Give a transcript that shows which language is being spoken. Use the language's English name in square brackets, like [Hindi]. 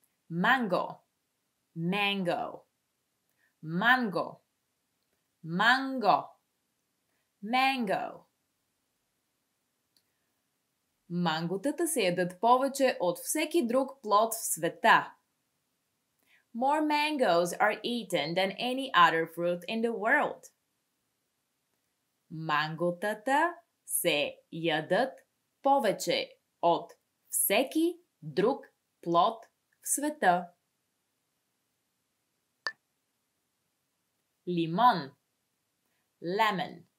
[Bulgarian] Манго. [English] Mango. [Bulgarian] Манго. Манго. Манго. Манготата се ядат повече от всеки друг плод в света. [English] More mangoes are eaten than any other fruit in the world. [Bulgarian] Манготата се ядат повече от всеки друг плод в света. Лимон. [English] Lemon.